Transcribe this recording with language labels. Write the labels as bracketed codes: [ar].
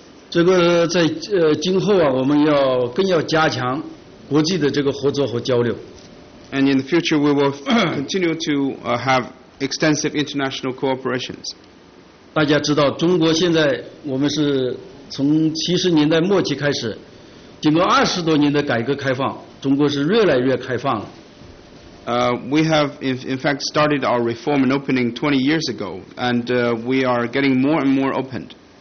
[zh] 这个在今后啊，我们要更要加强国际的这个合作和交流。 [en] And in the future, we will continue to have extensive international cooperations. [zh] 大家知道，中国现在我们是从70年代末期开始。 [en] We have in fact started our reform and opening 20 years ago, and we are getting more and more opened.